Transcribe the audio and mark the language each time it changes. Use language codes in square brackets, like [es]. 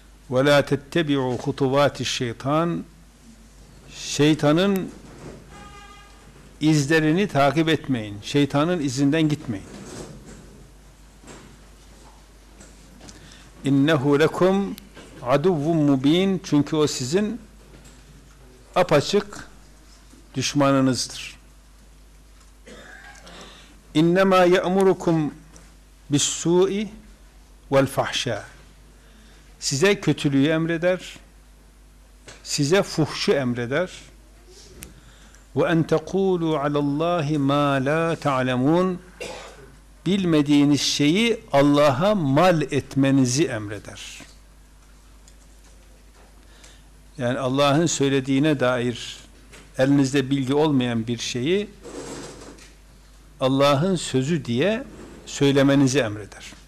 [ar] وَلَا تَتَّبِعُوا خُطُوَاتِ الشَّيْطَانِ [tr] Şeytanın izlerini takip etmeyin. Şeytanın izinden gitmeyin. [ar] اِنَّهُ لَكُمْ عَدُوٌّ مُّب۪ينٌ [tr] Çünkü o sizin apaçık düşmanınızdır. [ar] اِنَّمَا يَأْمُرُكُمْ بِالسُّٓءِ وَالْفَحْشَى [tr] Size kötülüğü emreder. Size fuhşu emreder. [ar] Ve en tekulu alallahi ma la ta'lemun [tr] Bilmediğiniz şeyi Allah'a mal etmenizi emreder. Yani Allah'ın söylediğine dair elinizde bilgi olmayan bir şeyi Allah'ın sözü diye söylemenizi emreder.